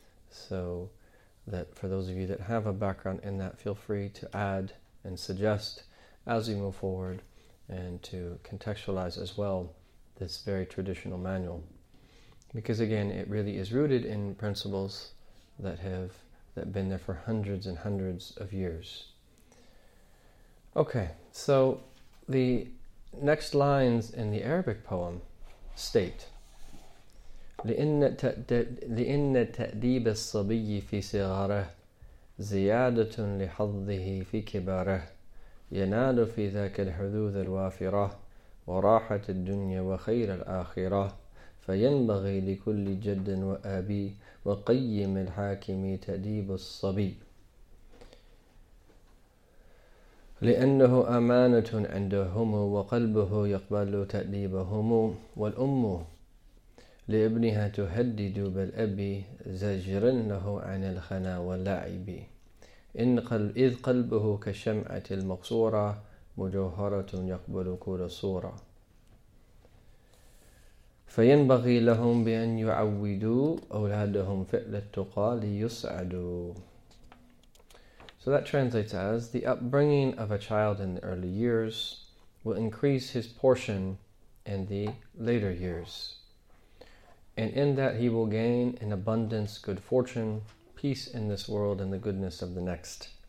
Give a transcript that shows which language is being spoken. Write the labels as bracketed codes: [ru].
[en] So that for those of you that have a background in that, feel free to add and suggest as we move forward, and to contextualize as well this very traditional manual. Because again, it really is rooted in principles that have been there for hundreds and hundreds of years. Okay, so the next lines in the Arabic poem state, [ar] لِإِنَّ تَأْدِيبَ الصَّبِيِّ فِي صِغَارَهِ زِيَادَةٌ لِحَظِّهِ فِي كِبَارَهِ يَنَالُ فِي ذَاكَ الْحُذُوذَ الْوَافِرَةِ وَرَاحَةَ الدُّنْيَا وَخَيْرَ الْآخِرَةِ فَيَنْبَغِي لِكُلِّ جَدٍّ وَأَبِي وَقَيِّمِ الْحَاكِمِ تَأْدِيبُ الصَّبِيِّ لِأَنَّهُ أَمَانَةٌ عِنْدَهُمُ وَقَلْبُهُ يَقْبَلُ تَأْدِيبَهُمُ وَالْأُمُّ لابنها تهدد بالأب زجرا له عن الخنا واللعب إن إذ قلبه كشمعة المقصورة مجوهرة يقبل كل صورة فينبغي لهم بأن يعودوا أولادهم فعل التقى ليسعدوا. [en] So that translates as, the upbringing of a child in the early years will increase his portion in the later years, and in that he will gain in abundance good fortune, peace in this world, and the goodness of the next.